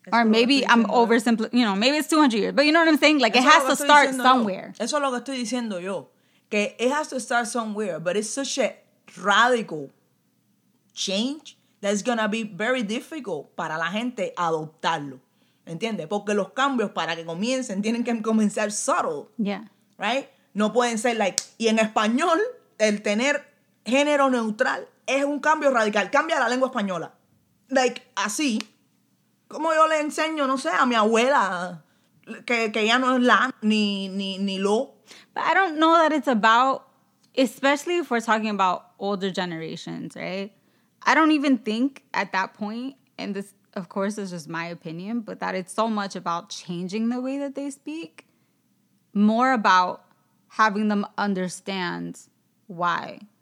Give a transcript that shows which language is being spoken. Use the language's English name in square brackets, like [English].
[English] Eso or maybe I'm oversimplifying, you know, maybe it's 200 years, but you know what I'm saying? Like [Spanish] eso [English] it has to start somewhere. [Spanish] Yo. Eso es lo que estoy diciendo yo. [English] Que it has to start somewhere, but it's such a radical change that it's going to be very difficult [Spanish] para la gente adoptarlo. ¿Entiendes? Porque los cambios para que comiencen tienen que comenzar subtle. [English] Yeah. [Spanish] Right? No pueden ser like, y en español... El tener género neutral es un cambio radical. Cambia la lengua española. Like, así. Como yo le enseño, no sé, a mi abuela, que ya no es la, ni lo. [English] But I don't know that it's about, especially if we're talking about older generations, right? I don't even think at that point, and this, of course, is just my opinion, but that it's so much about changing the way that they speak. More about having them understand why?